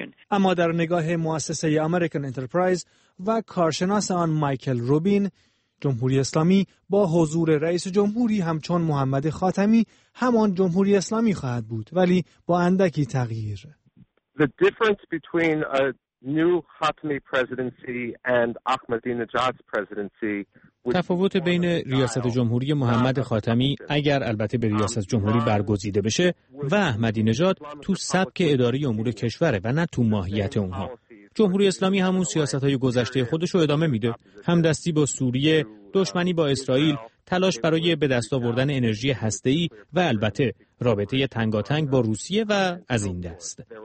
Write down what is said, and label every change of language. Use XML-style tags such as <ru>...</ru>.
<fa>اما در نگاه مؤسسه امریکن انترپرایز و کارشناس آن مایکل روبین، جمهوری اسلامی با حضور رئیس جمهوری همچون محمد خاتمی همان جمهوری اسلامی خواهد بود، ولی با اندکی تغییر.</fa> <en>The difference between a new Khatami presidency and Ahmadinejad's presidency.</en> <fa>تفاوت بین ریاست جمهوری محمد خاتمی، اگر البته به ریاست جمهوری برگزیده بشه، و احمدی نژاد تو سبک اداری امور کشوره و نه تو ماهیت اونها. جمهوری اسلامی همون سیاست‌های گذشته خودش رو ادامه میده. همدستی با سوریه، دشمنی با اسرائیل، تلاش برای به دست آوردن انرژی هسته‌ای و البته رابطه تنگاتنگ با روسیه و از این دست.</fa>